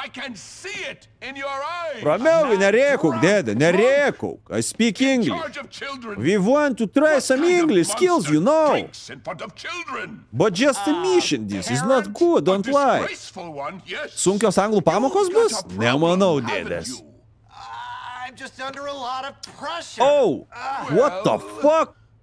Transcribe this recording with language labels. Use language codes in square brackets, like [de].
[lt] Ramiau, nerėkauk, dėdė, nerėkauk. [en] I speak English. We want to try some English skills, you know. But just a mission, this is not good, don't lie. [lt] Sunkios anglų pamokos bus? Nemanau, dėdės. [en] Oh, what the fuck?